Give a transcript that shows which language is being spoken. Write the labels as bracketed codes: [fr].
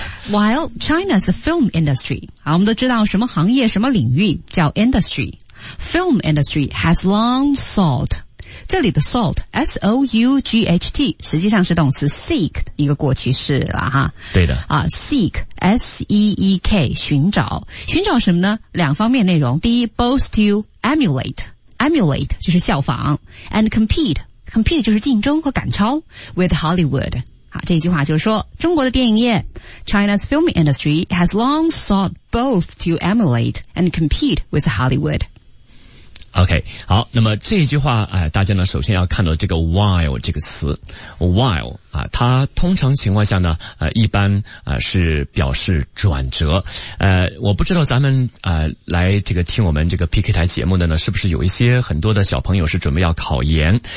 [zh] While China's film industry，啊，我们都知道什么行业什么领域叫 industry， film industry has long sought，这里的 sought S-O-U-G-H-T 实际上是动词 seek 一个过去式了哈。对的。啊 ，seek。 S-E-E-K 寻找，寻找什么呢？两方面内容，第一 boast to emulate， emulate 就是效仿， and compete， compete 就是竞争和赶超 with Hollywood。 [en] 好，这句话就是说中国的电影业 China's film industry has long sought both to emulate and compete with Hollywood。 [zh] OK， 好，那么这一句话，大家呢首先要看到这个 while 这个词， while 它通常情况下呢，一般是表示转折。我不知道咱们来这个听我们这个 PK 台节目的呢，是不是有一些很多的小朋友是准备要考研？